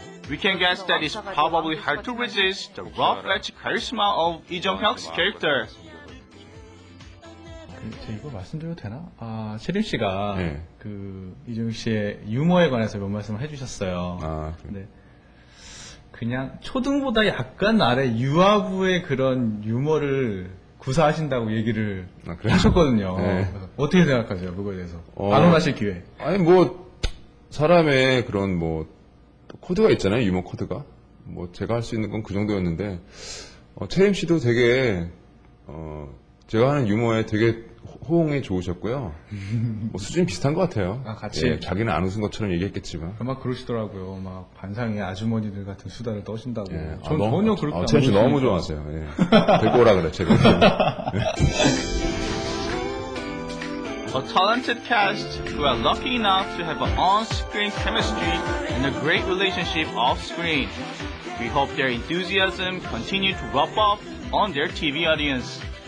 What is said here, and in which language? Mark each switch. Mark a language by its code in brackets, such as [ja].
[en] We can guess that it's probably hard to resist the rough-edged charisma of Lee Jong-hyuk's character. [ko] 이거 말씀드려도 되나? 아, 채림 씨가 네. 그 이종혁 씨의 유머에 관해서 몇 말씀을 해주셨어요. 아, 근데 그냥 초등보다 약간 아래 유아부의 그런 유머를 구사하신다고 얘기를 하셨거든요. 네. 어떻게 생각하세요? 그거에 대해서 반응하실 기회. 아니 뭐 사람의 그런 뭐 코드가 있잖아요. 유머 코드가. 뭐 제가 할 수 있는 건 그 정도였는데 채림 씨도 되게 제가 하는 유머에 되게 호응이 좋으셨고요. 뭐 수준 비슷한 것 같아요. 아, 같이. 예, 자기는 안 웃은 것처럼 얘기했겠지만. 아마 그러시더라고요. 막 반상의 아주머니들 같은 수다를 떠신다고. 예. 전 아, 전혀 그렇게 안 웃으셨어요. 채림 씨 너무 좋아하세요. 예. 데리고 오라 그래, 제가. [en] A talented cast who are lucky enough to have an on-screen chemistry and a great relationship off-screen. We hope their enthusiasm continue to rub off on their TV audience.